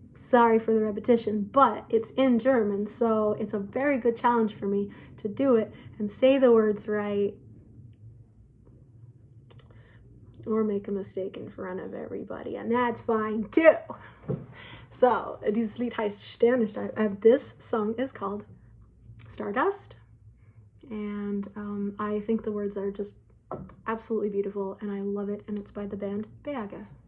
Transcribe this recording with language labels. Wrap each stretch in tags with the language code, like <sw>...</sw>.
<en>Sorry for the repetition, but it's in German, so it's a very good challenge for me to do it and say the words right or make a mistake in front of everybody, and that's fine too.</en> <de>So, dieses Lied heißt Sternenstaub.</de> <en>This song is called Stardust, and I think the words are just absolutely beautiful, and I love it, and it's by the band Berge.</en>